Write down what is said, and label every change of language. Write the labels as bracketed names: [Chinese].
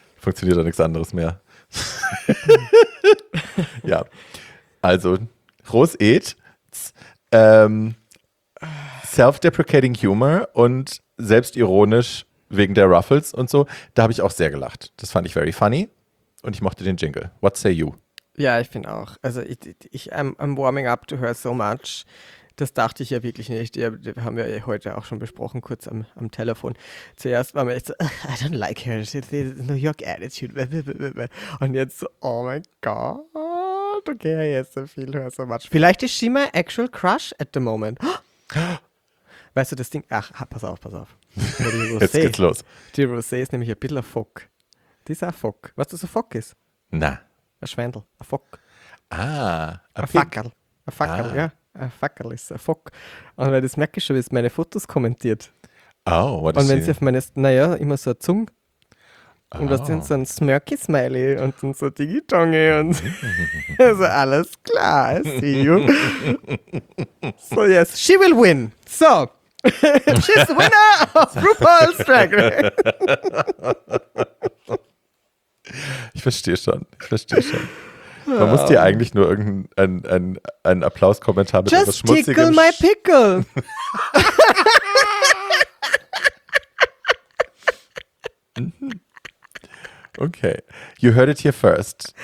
[German] Funktioniert doch nichts anderes mehr. Ja. Also, Groß Ed, self-deprecating humor und selbstironisch wegen der Ruffles und so. Da habe ich auch sehr gelacht. Das fand ich [English] very funny [German] und ich mochte den Jingle. [English] What say you? [German] Ja, ich finde auch. [English] Also, I'm warming up to her so much. [German] Das dachte ich ja wirklich nicht. Die haben wir heute auch schon besprochen, kurz am Telefon. Zuerst war mir echt so, [English] I don't like her. She's the New York attitude. [German] Und jetzt so, oh mein Gott. [English] Okay, yes, I feel her so much. [German] Vielleicht ist [English] she my actual crush at the moment. [German] Weißt du, das Ding, ach, pass auf. Rosé, jetzt geht's los. Die Rosé ist nämlich ein bisschen ein Fock. Die ist ein Fock. Weißt du, was ein Fock ist? Na. Ein Schwendel, ein Fock. Ah. Ein Fackel. Ein Fackel, ja. Ein Fackel ist ein Fock. Und weil das merke ich schon, wie es meine Fotos kommentiert. [English] Oh, what is [German] und wenn sie auf meine, immer so eine Zunge. Und was sind so ein Smirky-Smiley und dann so Digitonge und so, alles klar, [English] I see you. So, yes, she will win. So, she's the winner of RuPaul's Drag Race. [German] Ich verstehe schon. Man muss dir eigentlich nur irgendeinen ein Applaus-Kommentar mit etwas Schmutziges. [English] Just tickle my pickle. Okay. You heard it here first.